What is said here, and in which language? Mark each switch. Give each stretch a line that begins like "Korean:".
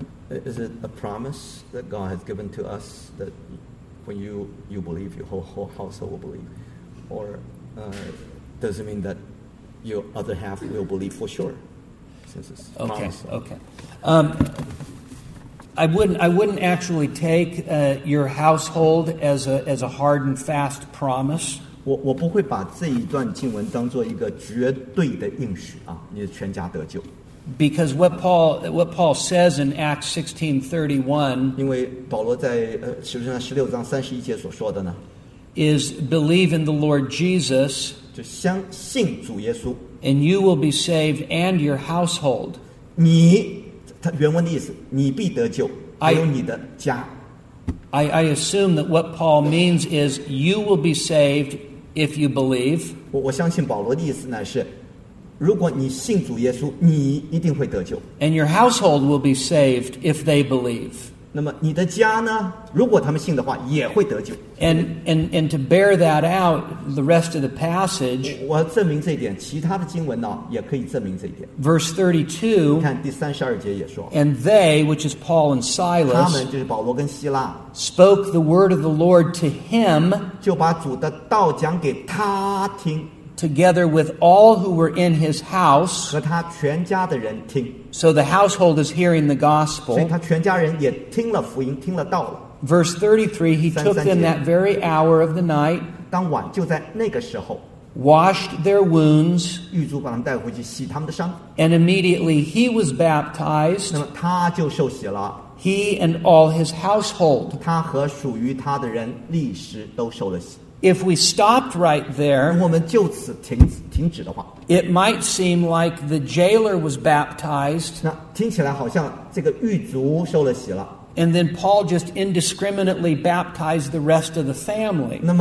English: Is it a promise that God has given to us that when you believe, your whole household will believe? Or does it mean that your other half will believe for sure? Since it's okay, promise. Okay. I wouldn't actually take your household as a hard and fast promise.
Chinese: 我不会把这一段经文当做一个绝对的应许啊，你的全家得救。
English: Because what Paul says in Acts 16:31,
Chinese: 因为保罗在使徒行传16章31节所说的呢,
English: is believe in the Lord Jesus,
Chinese: 就相信主耶稣,
English: and you will be saved and your household.
Chinese: 你，他原文的意思，你必得救。
English: I assume that what Paul means is you will be saved if you believe.
Chinese: 我相信保罗的意思呢是，如果你信主耶稣，你一定会得救。
English: And your household will be saved if they believe.
Chinese: 那么你的家呢，如果他们信的话，也会得救。
English: And to bear that out, the rest of the passage.
Chinese: 我要证明这一点，其他的经文呢也可以证明这一点。
English: Verse 32.
Chinese: 你看第32节也说。
English: And they, which is Paul and Silas,
Chinese: 他们就是保罗跟希腊,
English: spoke the word of the Lord to him,
Chinese: 就把主的道讲给他听。
English: Together with all who were in his house,
Chinese: 和他全家的人听。
English: So the household is hearing the gospel.
Chinese: 所以他全家人也听了福音, 听了道了。
English: Verse 33, he took them that very hour of the night,
Chinese: 当晚就在那个时候,
English: washed their wounds,
Chinese: 狱卒把他们带回去洗他们的伤,
English: and immediately he was baptized,
Chinese: 那么他就受洗了,
English: he and all his household.
Chinese: 他和属于他的人立时都受了洗。
English: If we stopped right there,
Chinese: 如果我们就此停止的话,
English: it might seem like the jailer was baptized,
Chinese: 那听起来好像这个狱卒受了洗了。
English: And then Paul just indiscriminately baptized the rest of the family.